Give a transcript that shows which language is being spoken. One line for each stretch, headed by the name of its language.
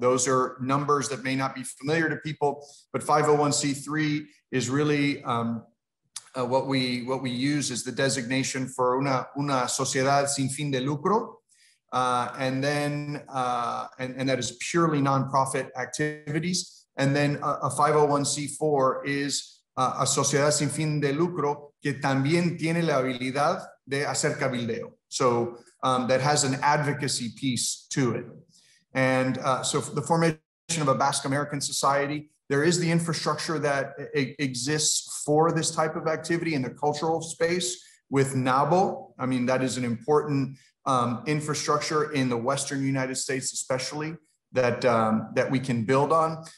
English: Those are numbers that may not be familiar to people, but 501c3 is really what we use as the designation for
Spanish: una sociedad sin fin de lucro.
English: And that is purely nonprofit activities. And then a 501c4 is a
Spanish: sociedad sin fin de lucro que también tiene la habilidad de hacer cabildeo.
English: So that has an advocacy piece to it. And so the formation of a Basque American society, there is the infrastructure that exists for this type of activity in the cultural space with NABO. I mean, that is an important infrastructure in the Western United States, especially that we can build on.